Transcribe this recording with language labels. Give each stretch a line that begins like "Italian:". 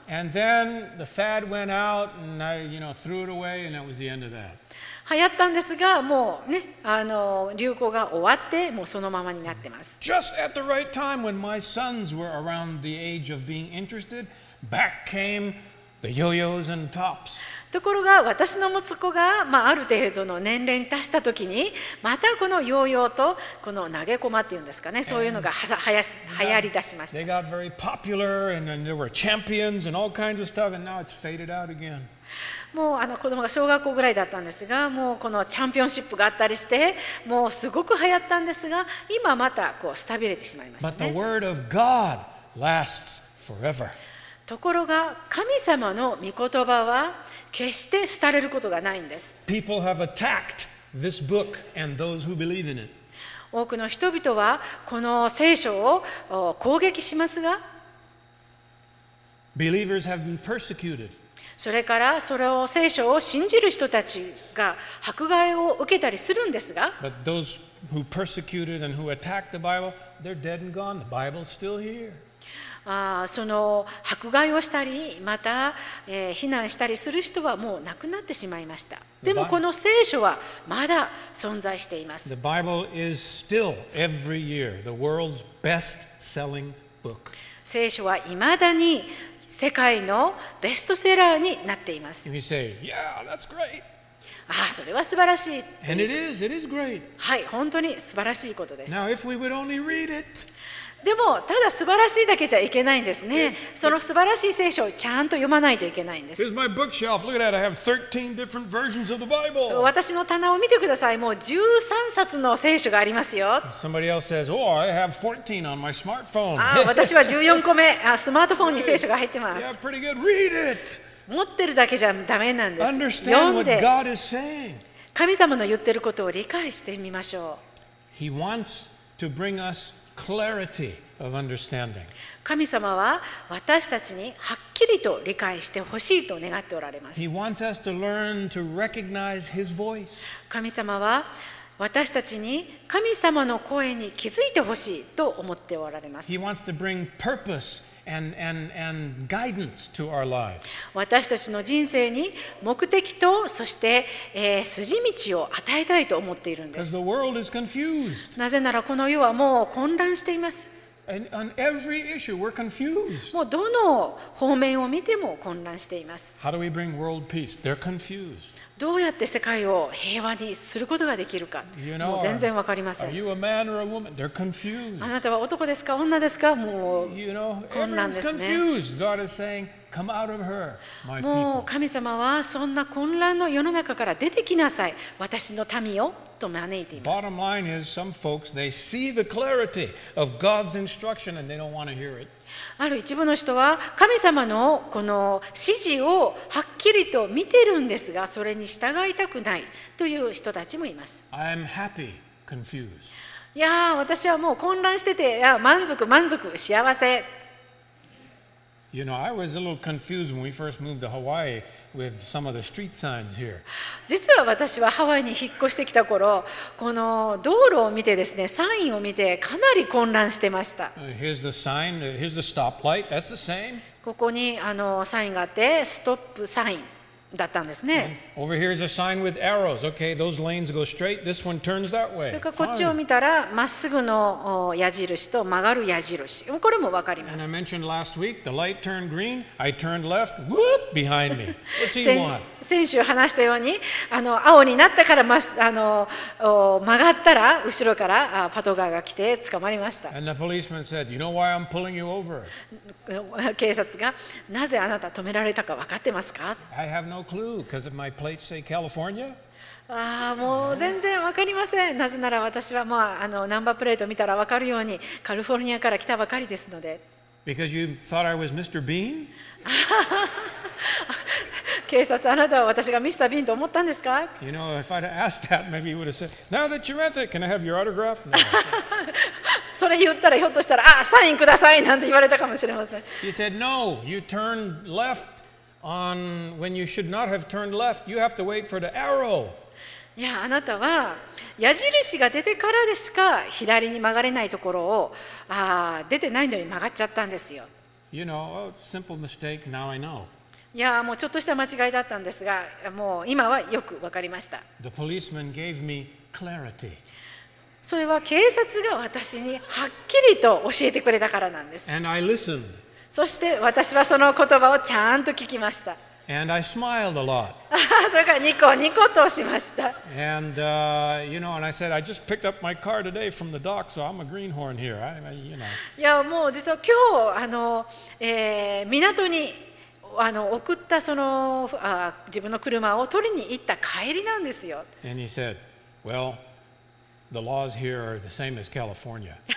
English: And then the fad went out and I, you know, threw it away and that was the end of that.
Japanese: 流行ったんですが、もうね、流行が終わってもうそのままになってます。
English: Just at the right time when my sons were around the age of being interested, back came the yo-yos and tops.
Japanese: ところが私の息子が、まあ、ある程度の年齢に達したときに、またこのヨーヨーとこの投げ駒っていうんですかね、そういうのが流行りだしました。
English: They got very popular and then there were champions and all kinds of stuff and now it's faded out again.
Japanese: もうあの子供が小学校ぐらいだったんですが、もうこのチャンピオンシップがあったりして、もうすごく流行ったんですが、今またこうスタビレてしまいましたね。
English: But the word of God lasts forever.
Japanese: ところが神様の御言葉は決して廃れることがないんです。
English: People have attacked this book and those who believe in it.
Japanese: 多くの人々はこの聖書を攻撃しますが、
English: Believers have been persecuted.
Japanese: それからそれを聖書を信じる人たちが迫害を受けたりするんですが、
English: But those who persecuted and who attacked the Bible, they're dead and gone. The Bible's still here.
Japanese: その迫害をしたりまた、避難したりする人はもう亡くなってしまいました。でもこの聖書はまだ存在しています。
English: The Bible is still every year the world's best selling book.
Japanese: 聖書は未だに世界のベストセラーになっています。
English: You say, yeah, that's great.
Japanese: ああそれは素晴らしい。
English: And it is, it is great.
Japanese: はい、本当に素晴らしいことです。
English: Now if we would only read it.
Japanese: でもただ素晴らしいだけじゃいけないんですね。その素晴らしい聖書をちゃんと読まないといけないんです。
English: Here's my bookshelf. Look at that. I have 13 different versions of the Bible.
Japanese: 私の棚を見てください。もう13冊の聖書がありますよ。
English: Somebody else says, oh, I have 14 on my smartphone.
Japanese: 私は14個目、スマートフォンに聖書が入ってます。
English: Yeah, pretty good. Read it.
Japanese: 持ってるだけじゃダメなんです。
English: Understand what God is saying.
Japanese: 神様の言ってることを理解してみましょう。
English: He wants to bring us. Clarity of understanding.
Japanese: 神様は私たちにはっきりと理解してほしいと願っておられます。
English: He wants us to learn to recognize His voice.
Japanese: 神様は私たちに神様の声に気づいてほしいと思っておられます。
English: He wants to bring purpose and guidance to our lives.
Japanese: 私たちの人生に目的とそして、筋道を与えたいと思っているんです。
English: Because the world is confused.
Japanese: なぜならこの世はもう混乱しています。
English: And on every issue, we're confused.
Japanese: もうどの方面を見ても混乱しています。
English: How do we bring world peace? They're confused.
Japanese: どうやって世界を平和にすることができるか、もう全然わかりません。
English: You know, are you a man or a woman?
Japanese: あなたは男ですか女ですか、もう混乱ですね。
English: Everyone's confused. God is saying, "Come out of her, my people."
Japanese: もう神様はそんな混乱の世の中から出てきなさい、私の民よと招いています。
English: Bottom line is, some folks they see the clarity of God's instruction and they don't want to hear it.
Japanese: ある一部の人は神様のこの指示をはっきりと見てるんですが、それに従いたくないという人たちもいます。
English: I'm happy, confused.
Japanese: いやー私はもう混乱してて、いや満足満足幸せ。
English: You know, I was a little confused when we first moved to Hawaii with some of the street signs here.
Japanese: 実は私はハワイに引っ越してきた頃、この道路を見てですね、サインを見てかなり混乱してました。
English: Here's the sign. Here's the stoplight. That's the same.
Japanese: ここにあのサインがあって、ストップサインだったんですね。
English: Over here is a sign with arrows. Okay, those lanes go straight. This one turns that way.
Japanese: それからこっちを見たら、まっすぐの矢印と曲がる矢印。これもわかります。
English: And I mentioned last week, the light turned green. I turned left. Whoop! Behind me. What's he want?
Japanese: 先週話したように、あの青になったから曲がったら後ろからパトカーが来て捕まりました。
English: And the policeman said, "You know why I'm pulling you over?"
Japanese: 警察がなぜあなた止められたかわかってますか？
English: I have no clue because of my plates say California.
Japanese: ああもう全然わかりません。なぜなら私は、まあ、あのナンバープレート見たらわかるようにカリフォルニアから来たばかりですので。
English: Because you thought I was Mr. Bean?
Japanese: 警察、あなたは私がミスター・ビーンと思ったんですか？
English: You know, if I'd asked that, maybe you would have said, now that you're at it, can I have your autograph? No.
Japanese: それ言ったらひょっとしたら、あ、サインくださいなんて言われたかもしれません。
English: He said, no, you turned left on when you should not have turned left. You have to wait for the arrow.
Japanese: いや、あなたは矢印が出てからでしか左に曲がれないところを、あ、出てないのに曲がっちゃったんですよ。
English: You know, a simple mistake, now I know.
Japanese: いやもうちょっとした間違いだったんですが、もう今はよく分かりました。
English: The policeman gave me clarity.
Japanese: それは警察が私にはっきりと教えてくれたからなんです。
English: And I listened.
Japanese: そして私はその言葉をちゃんと聞きました。
English: And I smiled a lot.
Japanese: それからニコニコとしました。
English: And, you know, and I said, I just picked up my car today from the dock, so I'm a greenhorn here. You know.
Japanese: いやもう実は今日港に送ったその自分の車を取りに行った帰りなんですよ。
English: And he said, well, the laws here are the same as California.